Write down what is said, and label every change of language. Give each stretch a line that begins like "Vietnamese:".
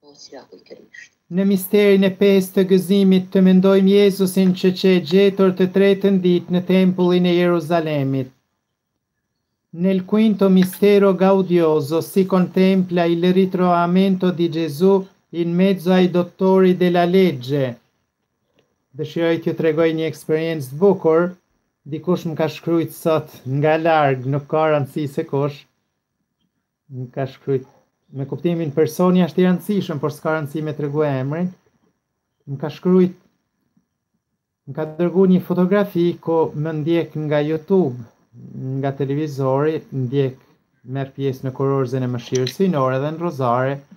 Albanian: Në misterin e pesë të gëzimit të mendojmë Jezusin që që e gjetur të tretën ditë në tempullin e Jeruzalemit.
Italian: Nel quinto mistero gaudioso si contempla il ritrovamento di Gesù in mezzo ai dottori della legge.
Albanian: Dëshiroj t'ju tregoj një eksperiencë bukur. Dikush më ka shkruajt sot nga larg, nuk ka rëndësi se kush. Më ka shkruajt me kuptimin personi është i rëndësishëm, por s'ka rëndësi me tregu emrin. Më ka dërguar një fotografi ku më ndjek nga YouTube, nga televizori, merr pjesë në kurorzën e Mëshirës Hyjnore dhe në Rozare.